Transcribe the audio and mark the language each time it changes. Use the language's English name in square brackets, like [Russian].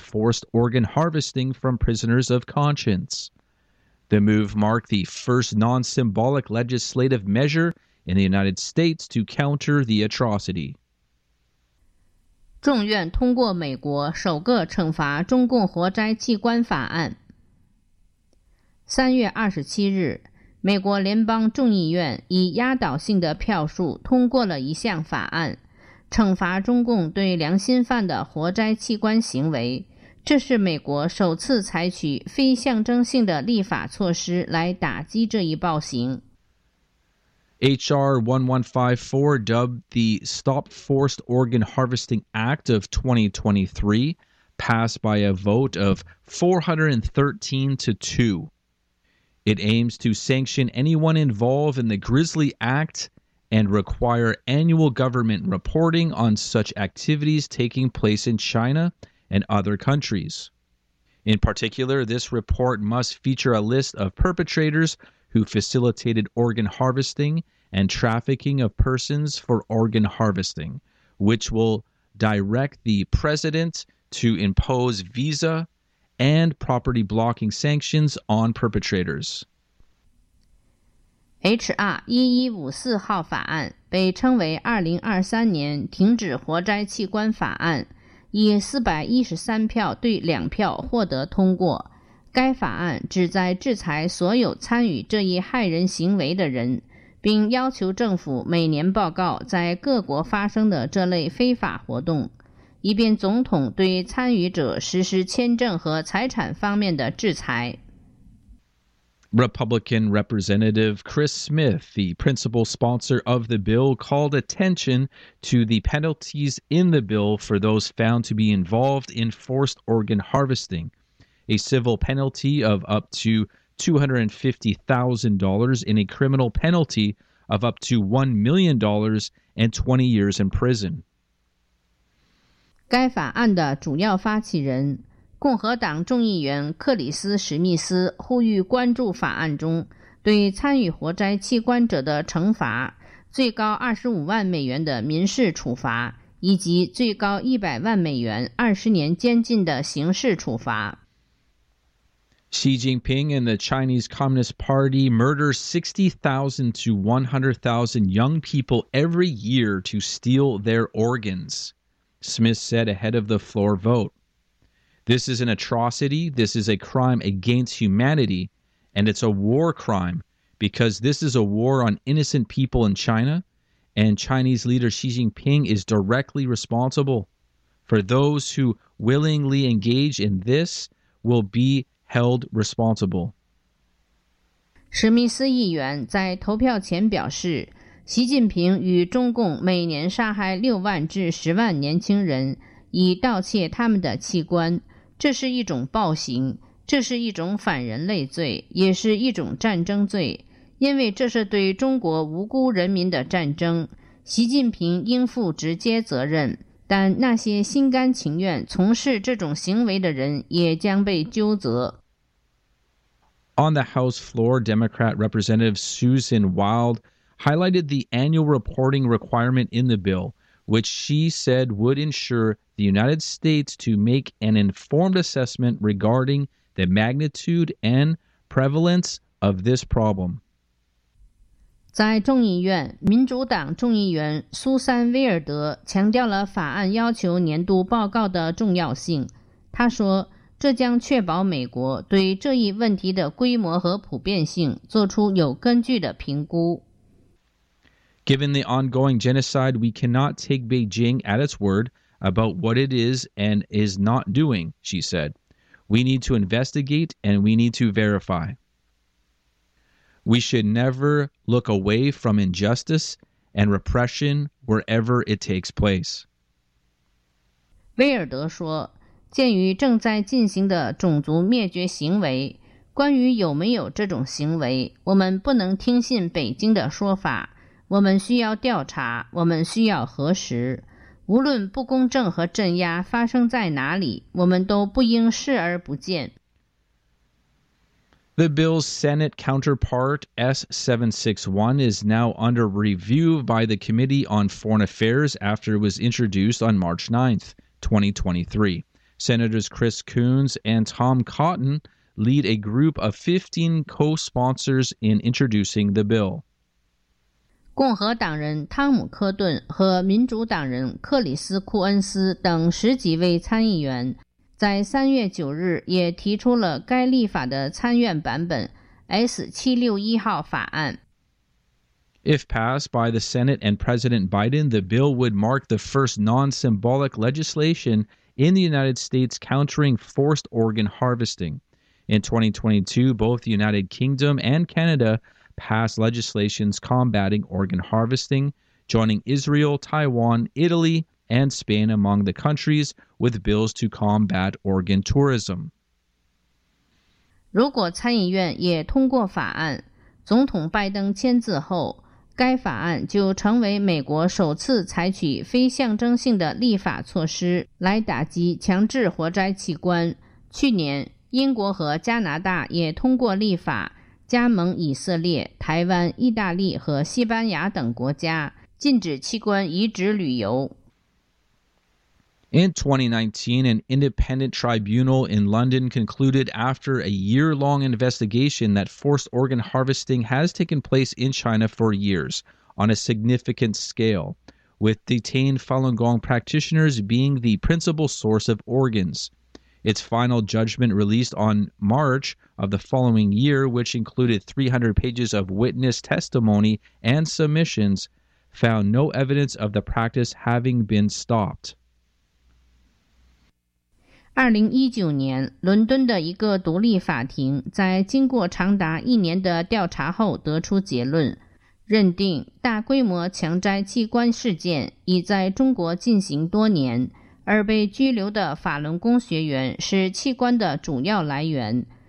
[English] forced organ harvesting from prisoners of conscience. The move marked the first non-symbolic legislative measure in the United States to counter the atrocity. [Chinese] 众院通过美国首个惩罚中共活摘器官法案。 3月27日，美国联邦众议院以压倒性的票数通过了一项法案，惩罚中共对良心犯的活摘器官行为。这是美国首次采取非象征性的立法措施来打击这一暴行。 [English] H.R. 1154, dubbed the Stop Forced Organ Harvesting Act of 2023, passed by a vote of 413-2. It aims to sanction anyone involved in the grisly act and require annual government reporting on such activities taking place in China and other countries. In particular, this report must feature a list of perpetrators who facilitated organ harvesting and trafficking of persons for organ harvesting, which will direct the president to impose visa and property blocking sanctions on perpetrators. [Chinese] H.R. 1154号法案被称为2023年停止活摘器官法案，以413票对2票获得通过。该法案旨在制裁所有参与这一害人行为的人，并要求政府每年报告在各国发生的这类非法活动，以便总统对参与者实施签证和财产方面的制裁。 [English] Republican Representative Chris Smith, the principal sponsor of the bill, called attention to the penalties in the bill for those found to be involved in forced organ harvesting, a civil penalty of up to $250,000 and a criminal penalty of up to $1 million and 20 years in prison. [Chinese] 该法案的主要发起人共和党众议员克里斯·史密斯呼吁关注法案中对参与活摘器官者的惩罚，最高25万美元的民事处罚，以及最高100万美元20年监禁的刑事处罚。 [English] Xi Jinping and the Chinese Communist Party murder 60,000 to 100,000 young people every year to steal their organs, Smith said ahead of the floor vote. This is an atrocity, this is a crime against humanity, and it's a war crime because this is a war on innocent people in China, and Chinese leader Xi Jinping is directly responsible. For those who willingly engage in this will be held responsible. [Chinese] 史密斯议员在投票前表示，习近平与中共每年杀害6万至10万年轻人，以盗窃他们的器官。这是一种暴行，这是一种反人类罪，也是一种战争罪，因为这是对中国无辜人民的战争。习近平应负直接责任，但那些心甘情愿从事这种行为的人也将被纠责。 [English] On the House floor, Democrat Representative Susan Wild highlighted the annual reporting requirement in the bill, which she said would ensure the United States to make an informed assessment regarding the magnitude and prevalence of this problem. [Chinese] 在众议院，民主党众议员苏珊·威尔德强调了法案要求年度报告的重要性。她说，这将确保美国对这一问题的规模和普遍性做出有根据的评估。 [English] Given the ongoing genocide, we cannot take Beijing at its word about what it is and is not doing, she said. We need to investigate and we need to verify. We should never look away from injustice and repression wherever it takes place. [Chinese] 威尔德说，鉴于正在进行的种族灭绝行为，关于有没有这种行为，我们不能听信北京的说法。我们需要调查，我们需要核实。无论不公正和镇压发生在哪里，我们都不应视而不见。 [English] The bill's Senate counterpart, S-761, is now under review by the Committee on Foreign Affairs after it was introduced on March 9th, 2023, Senators Chris Coons and Tom Cotton lead a group of 15 co-sponsors in introducing the bill. [Chinese] 共和党人汤姆·科顿和民主党人克里斯·库恩斯等十几位参议员在3月9日也提出了该立法的参院版本 S-761 号法案。 [English] If passed by the Senate and President Biden, the bill would mark the first non-symbolic legislation in the United States countering forced organ harvesting. In 2022, both the United Kingdom and Canada passed legislations combating organ harvesting, joining Israel, Taiwan, Italy, and Spain among the countries with bills to combat organ tourism. [Chinese] 如果参议院也通过法案，总统拜登签字后，该法案就成为美国首次采取非象征性的立法措施来打击强制活摘器官。去年，英国和加拿大也通过立法，加盟以色列、台湾、意大利和西班牙等国家，禁止器官移植旅游。 [English] In 2019, an independent tribunal in London concluded after a year-long investigation that forced organ harvesting has taken place in China for years on a significant scale, with detained Falun Gong practitioners being the principal source of organs. Its final judgment released on March of the following year, which included 300 pages of witness testimony and submissions, found no evidence of the practice having been stopped. [Chinese] 2019年，伦敦的一个独立法庭在经过长达一年的调查后得出结论，认定大规模强摘器官事件已在中国进行多年，而被拘留的法轮功学员是器官的主要来源。